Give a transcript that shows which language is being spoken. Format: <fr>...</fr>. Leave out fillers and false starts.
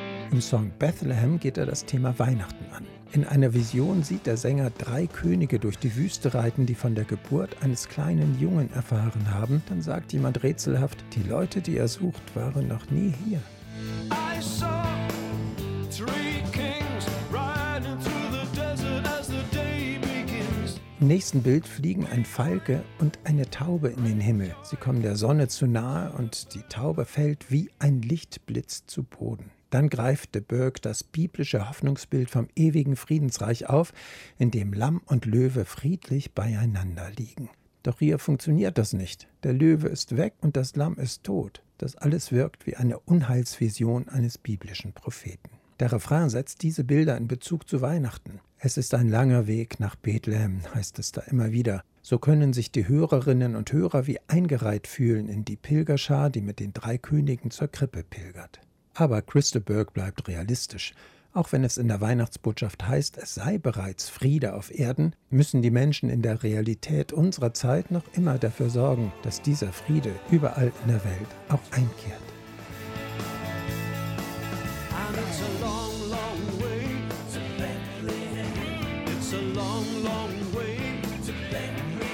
<de>Im Song Bethlehem geht er das Thema Weihnachten an. In einer Vision sieht der Sänger drei Könige durch die Wüste reiten, die von der Geburt eines kleinen Jungen erfahren haben. Dann sagt jemand rätselhaft, die Leute, die er sucht, waren noch nie hier.</de> <en>I saw three kings riding through the desert as the day begins.</en> <de>Im nächsten Bild fliegen ein Falke und eine Taube in den Himmel. Sie kommen der Sonne zu nahe und die Taube fällt wie ein Lichtblitz zu Boden. Dann greift de Burgh das biblische Hoffnungsbild vom ewigen Friedensreich auf, in dem Lamm und Löwe friedlich beieinander liegen. Doch hier funktioniert das nicht. Der Löwe ist weg und das Lamm ist tot. Das alles wirkt wie eine Unheilsvision eines biblischen Propheten. Der Refrain setzt diese Bilder in Bezug zu Weihnachten. Es ist ein langer Weg nach Bethlehem, heißt es da immer wieder. So können sich die Hörerinnen und Hörer wie eingereiht fühlen in die Pilgerschar, die mit den drei Königen zur Krippe pilgert. Aber Chris de Burgh bleibt realistisch. Auch wenn es in der Weihnachtsbotschaft heißt, es sei bereits Friede auf Erden, müssen die Menschen in der Realität unserer Zeit noch immer dafür sorgen, dass dieser Friede überall in der Welt auch einkehrt.</de> <en>And it's a long, long way to Bethlehem. It's a long, long way to Bethlehem.</en>